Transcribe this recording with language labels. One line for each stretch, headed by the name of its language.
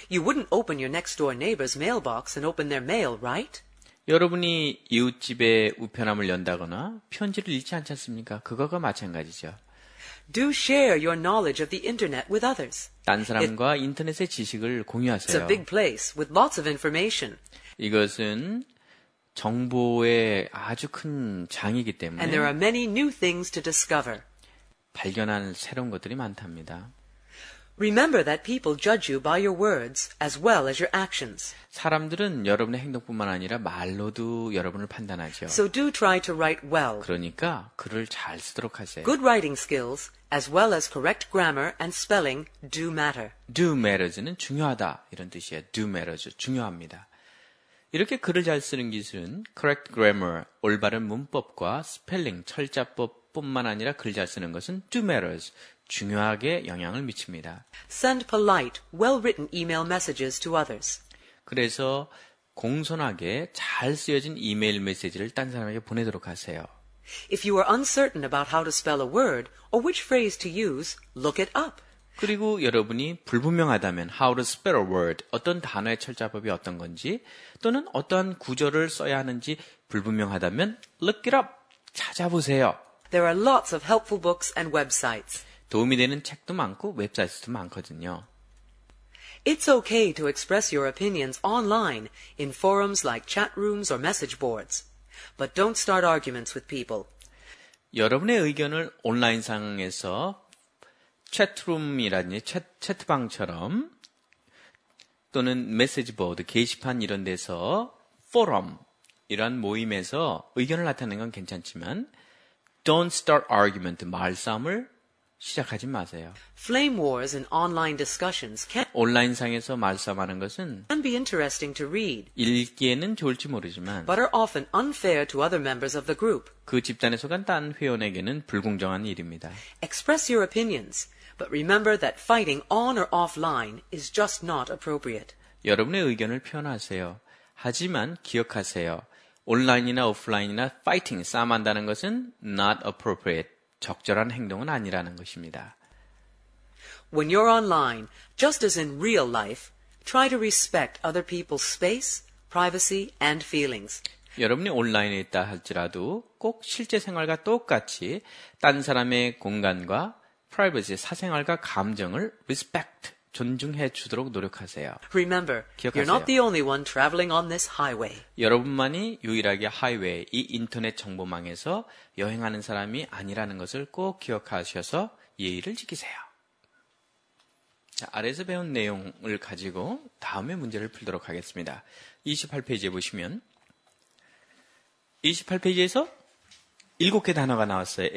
English: You wouldn't open your next door neighbor's mailbox and open their mail, right?
Korean: 여러분이 이웃집의 우편함을 연다거나 편지를 읽지 않지 않습니까? 그거가 마찬가지죠.
English: Do share your knowledge of the internet with others.
Korean: 딴 사람과 인터넷의 지식을 공유하세요.
English: It's a big place with lots of information.
Korean: 이것은 정보의 아주 큰 장이기 때문에
English: And there are many new things to discover.
Korean: 발견한 새로운 것들이 많답니다.
English: Remember that people judge you by your words as well as your actions.
Korean: 사람들은 여러분의 행동뿐만 아니라 말로도 여러분을 판단하죠.
English: So do try to write well.
Korean: 그러니까 글을 잘 쓰도록 하세요.
English: Good writing skills as well as correct grammar and spelling do matter. Do matters
Korean: 는 중요하다 이런 뜻이에요. Do matters 중요합니다. 이렇게 글을 잘 쓰는 기술은
English: correct grammar
Korean: 올바른 문법과 spelling 철자법 뿐만 아니라 글 잘 쓰는 것은
English: do matters,
Korean: 중요하게 영향을 미칩니다.
English: Send polite, well-written email messages to others.
Korean: 그래서 공손하게 잘 쓰여진 이메일 메시지를 딴 사람에게 보내도록 하세요.
English: If you are uncertain about how to spell a word or which phrase to use, look it up.
Korean: 그리고 여러분이 불분명하다면
English: how to spell a word,
Korean: 어떤 단어의 철자법이 어떤 건지 또는 어떤 구절을 써야 하는지 불분명하다면
English: look it up,
Korean: 찾아보세요.
English: There are lots of helpful books and websites.
Korean: 도움이 되는 책도 많고 웹사이트도 많거든요.
English: It's okay to express your opinions online in forums like chat rooms or message boards. But don't start arguments with people.
Korean: 여러분의 의견을 온라인 상에서 채트룸이라든지 채트방처럼 또는 메시지보드, 게시판 이런 데서 포럼 이런 모임에서 의견을 나타내는 건 괜찮지만
English: Don't start argument,
Korean: 말싸움을 시작하지 마세요.
English: Flame wars in online discussions can
Korean: 온라인상에서 말싸움하는 것은
English: can be interesting to read.
Korean: 읽기에는 좋을지 모르지만
English: but are often unfair to other members of the group.
Korean: 그 집단에 속한 다른 회원에게는 불공정한 일입니다.
English: Express your opinions, but remember that fighting on or offline is just not appropriate.
Korean: 여러분의 의견을 표현하세요. 하지만 기억하세요. 온라인이나 오프라인이나 fighting, 싸움한다는 것은
English: not appropriate.
Korean: 적절한 행동은 아니라는 것입니다.
English: When you're online, just as in real life, try to respect other people's space, privacy, and feelings.
Korean: 여러분이 온라인에 있다 할지라도 꼭 실제 생활과 똑같이 딴 사람의 공간과 privacy, 사생활과 감정을 respect, 존중해 주도록 노력하세요.
English: Remember,
Korean: 기억하세요.
English: You're not the only one traveling on this highway.
Korean: 여러분만이 유일하게 하이웨이, 이 인터넷 정보망에서 여행하는 사람이 아니라는 것을 꼭 기억하셔서 예의를 지키세요. 자, 아래에서 배운 내용을 가지고 다음의 문제를 풀도록 하겠습니다. 28페이지에 보시면 28페이지에서 7개 단어가 나왔어요.